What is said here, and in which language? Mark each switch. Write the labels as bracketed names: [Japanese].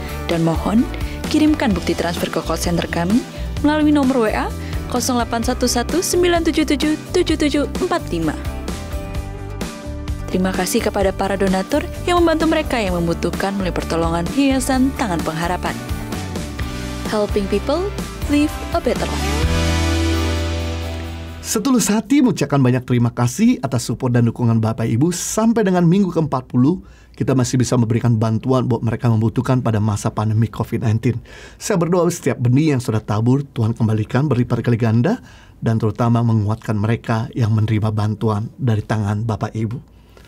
[Indonesian] Dan mohon kirimkan bukti transfer ke call center kami melalui nomor WA 0811-977-7745. Terima kasih kepada para donatur yang membantu mereka yang membutuhkan melalui pertolongan Yayasan Tangan Pengharapan. [English] Helping people live a better life. [Indonesian] Setulus hati mengucapkan banyak terima kasih atas support dan dukungan Bapak Ibu. Sampai dengan minggu ke-40, kita masih bisa memberikan bantuan buat mereka membutuhkan pada masa pandemi COVID-19. Saya berdoa setiap benih yang sudah tabur, Tuhan kembalikan berlipat kali ganda, dan terutama menguatkan mereka yang menerima bantuan dari tangan Bapak Ibu.